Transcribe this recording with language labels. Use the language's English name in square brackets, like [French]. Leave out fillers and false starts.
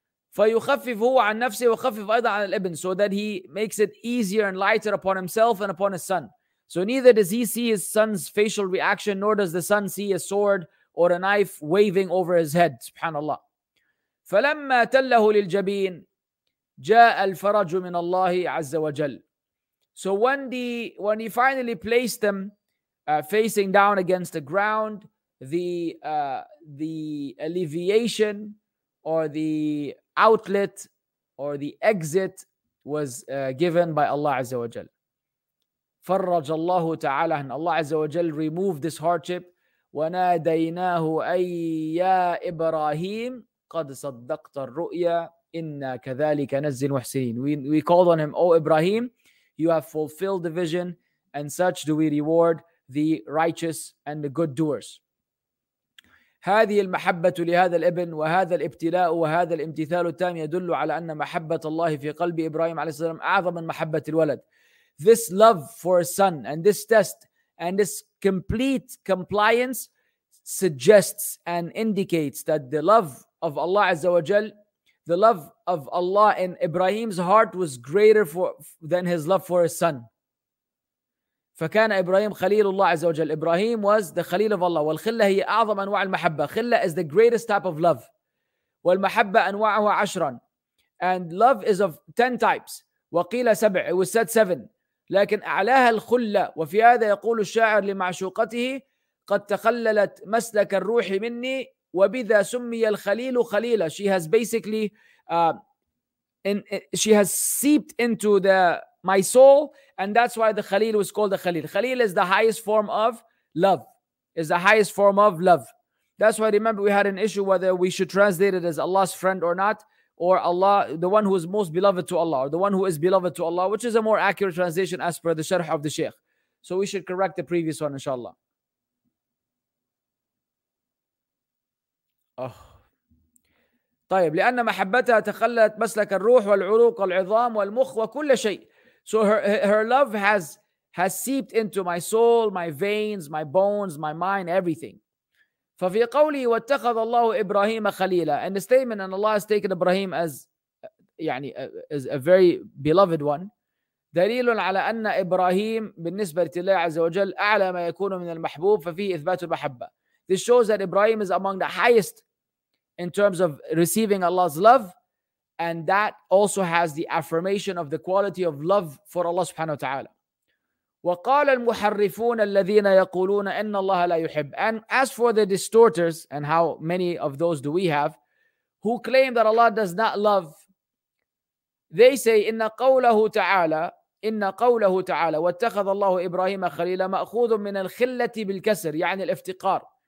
[Arabic] فيخفف هو عن نفسه ويخفف ايضا عن الابن. [English] So that he makes it easier and lighter upon himself and upon his son. So neither does he see his son's facial reaction, nor does the son see a sword or a knife waving over his head. Subhanallah. [Arabic] فلما تله للجبين جاء الفرج من الله عز وجل. [English] So when he finally placed them facing down against the ground, the alleviation or the outlet or the exit was given by Allah عز وجل. [Arabic] فرج الله تعالى. الله عز وجل [English] removed this hardship. [Arabic] وناديناه أي يا إبراهيم قد صدقت الرؤيا inna kadhalika nazzil muhsinin. [English] We called on him, O Ibrahim, you have fulfilled the vision, and such do we reward the righteous and the good doers. [Arabic] هذه المحبة لهذا الابن وهذا الابتلاء وهذا الامتثال التام يدل على أن محبة الله في قلب إبراهيم عليه السلام أعظم من محبة الولد. [English] This love for a son and this test and this complete compliance suggests and indicates that the love of Allah عز وجل, the love of Allah in Ibrahim's heart was greater than his love for his son. [Arabic] فكان إبراهيم خليل الله عز وجل. [English] إبراهيم was the خليل of Allah. [Arabic] والخلة هي أعظم أنواع المحبة. [English] خلة is the greatest type of love. [Arabic] والمحبة أنواعها عشرا. [English] And love is of 10 types. [Arabic] وقيل سبع. [English] It was said 7. [Arabic] لكن أعلاها الخلة. وفي هذا يقول الشاعر لمعشوقته قد تخللت مسلك الروح مني وبذا سمي الخليل خليلة. [English] She has basically she has seeped into my soul, and that's why the Khalil was called the Khalil. Khalil is the highest form of love. Is the highest form of love. That's why, remember, we had an issue whether we should translate it as Allah's friend or not, or Allah, the one who is most beloved to Allah, or the one who is beloved to Allah, which is a more accurate translation as per the sharh of the Sheikh. So we should correct the previous one, inshallah. Oh. [Arabic] طيب لأن محبتها تخلت مسلك الروح والعروق والعظام والمخ وكل شيء. [English] So her love has seeped into my soul, my veins, my bones, my mind, everything. [Arabic] ففي قولي واتخذ الله إبراهيم خليلا. [English] And the statement, and Allah has taken Ibrahim as يعني as a very beloved one. [Arabic] دليل على أن إبراهيم بالنسبة لله عز وجل أعلى ما يكون من المحبوب ففيه إثبات المحبة. [English] This shows that Ibrahim is among the highest in terms of receiving Allah's love. And that also has the affirmation of the quality of love for Allah subhanahu wa ta'ala. [Arabic] وَقَالَ الْمُحَرِّفُونَ الَّذِينَ يَقُولُونَ أَنَّ اللَّهَ لَا يُحِبْ. [English] And as for the distorters, and how many of those do we have, who claim that Allah does not love, they say, [Arabic] إِنَّ قَوْلَهُ تَعَالَى وَاتَّخَذَ اللَّهُ إِبْرَاهِيمَ خَلِيلًا مَأْخُوذٌ مِّنَ الْخِلَّةِ بِالْكَسْرِ يعني الافتقار.